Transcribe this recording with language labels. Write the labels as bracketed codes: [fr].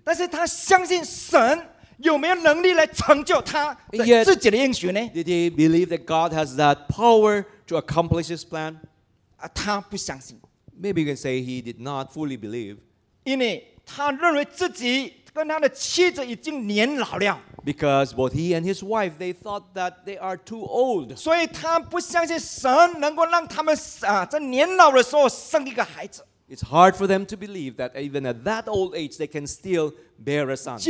[zh] 但是他相信神有没有能力来成就他自己的应许呢 [en] ？Did he believe that God has that power to accomplish his plan? [zh] 他不相信。 [en] Maybe you can say he did not fully believe. [zh] 因为他认为自己跟他的妻子已经年老了。 [en] Because both he and his wife, they thought that they are too old. [zh] 所以他不相信神能够让他们在年老的时候生一个孩子。 [en] It's hard for them to believe that even at that old age, they can still bear a son.